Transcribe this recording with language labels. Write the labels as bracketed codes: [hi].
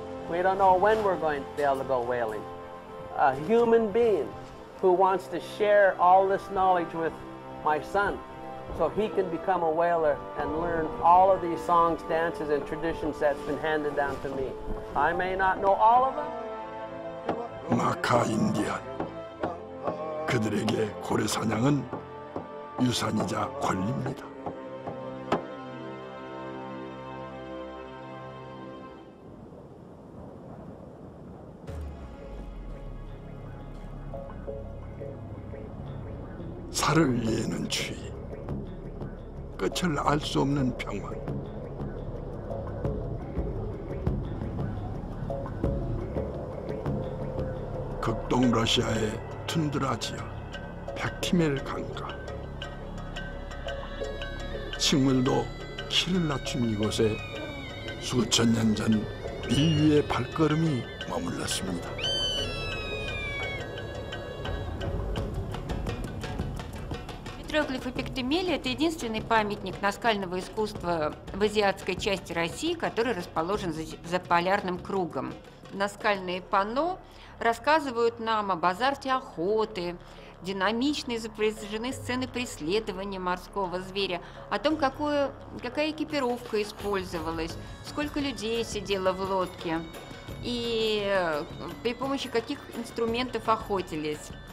[en] We don't know when we're going to be able to go whaling. A human being who wants to share all this knowledge with my son so he can become a whaler and learn all of these songs, dances, and traditions that's been handed down to me. I may not know all of them. [ko] 마카 인디안, 그들에게 고래 사냥은 유산이자 권리입니다. 살을 예는 추위, 끝을 알 수 없는 병원. 극동 러시아의 툰드라 지역, 백티멜 강가. 식물도 키를 낮춘 이곳에 수천 년 전 인류의 발걸음이 머물렀습니다. [ru] Петроглифы Пектемели – это единственный памятник наскального искусства в азиатской части России, который расположен за полярным кругом. Наскальные панно рассказывают нам об азарте охоты, динамично изображены сцены преследования морского зверя, о том, какая экипировка использовалась, сколько людей сидело в лодке и при помощи каких инструментов охотились.